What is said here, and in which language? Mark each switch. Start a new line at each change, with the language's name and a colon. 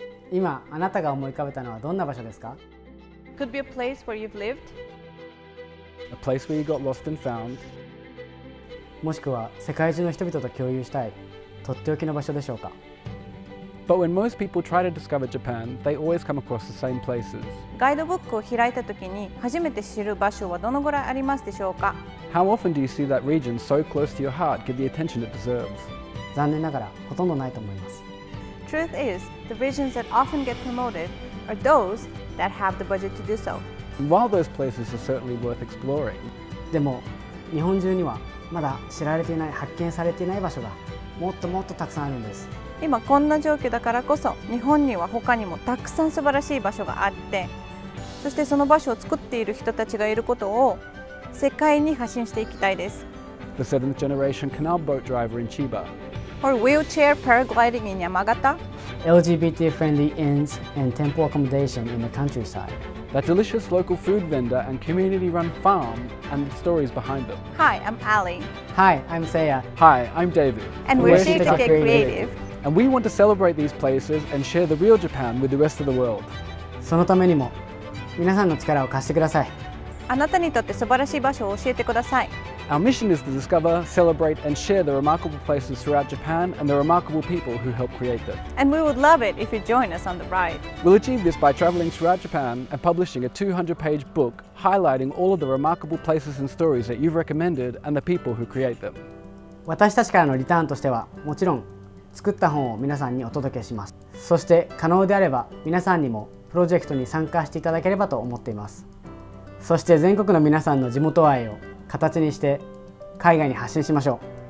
Japanese: 今、あなたが思い浮かべたのはどんな場所ですか?
English: Could be a place where you've lived. A place where you got lost and found.
Japanese: もしくは、世界中の人々と共有したい、とっておきの場所でしょうか?
English: But when most people try to discover Japan, they always come across the same places.
Japanese: ガイドブックを開いたときに、初めて知る場所はどのぐらいありますでしょうか?
English: How often do you see that region so close to your heart get the attention it deserves?
Japanese: 残念ながらほとんどないと思います。
English: Truth is, the regions that often get promoted are those that have the budget to do so. While those places are certainly worth exploring,
Japanese: でも日本中にはまだ知られていない、発見されていない場所がもっともっとたくさんあるんです。今こんな状況だからこそ、日本には他にもたくさん素晴らしい場所があって、そしてその場所を作っている人たちがいることを世界に発信していきたいです。
English: The seventh generation canal boat driver in Chiba. Or wheelchair paragliding in Yamagata. LGBT-friendly inns and temple accommodation in the countryside. That delicious local food vendor and community-run farm and the stories behind them. Hi, I'm Ali. Hi, I'm Seiya. Hi, I'm David. And we're here to get creative. And we want to celebrate these places and share the real Japan with the rest of the world.
Japanese: そのためにも、皆さんの力を貸してください。あなたにとって素晴らしい場所を教えてください。
English: Our mission is to discover, celebrate, and share the remarkable places throughout Japan and the remarkable people who helped create them. And we would love it if you join us on the ride. We'll achieve this by traveling throughout Japan and publishing a 200-page book highlighting all of the remarkable places and stories that you've recommended and the people who create them.
Japanese: 私たちからのリターンとしては、もちろん作った本を皆さんにお届けします。そして可能であれば皆さんにもプロジェクトに参加していただければと思っています。そして全国の皆さんの地元愛を形にして海外に発信しましょう。